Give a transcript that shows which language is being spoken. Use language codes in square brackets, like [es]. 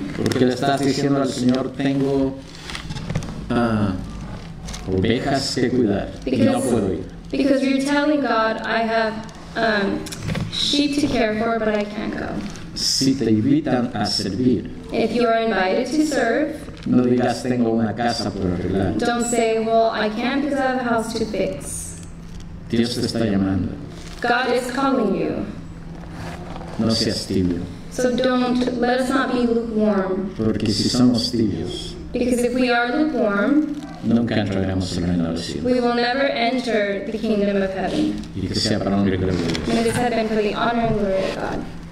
[es] Porque le estás diciendo al Señor, tengo ovejas que cuidar, y no puedo ir. [en] Because you're telling God, I have sheep to care for, but I can't go. [es] Si te invitan a servir, [en] if you are invited to serve, [es] no digas, tengo una casa por arreglar. [en] Don't say, well, I can't because I have a house to fix. [es] Dios te está llamando. [en] God is calling you. [es] No seas tibio. [en] So don't, let us not be lukewarm. [es] Porque si somos tibios. [en] Because if we are lukewarm. [es] Nunca entraremos en el reino de los cielos. [en] We will never enter the kingdom of heaven. [es] Y que sea para honra y gloria de Dios. [en] May this happen for the honor and glory of God.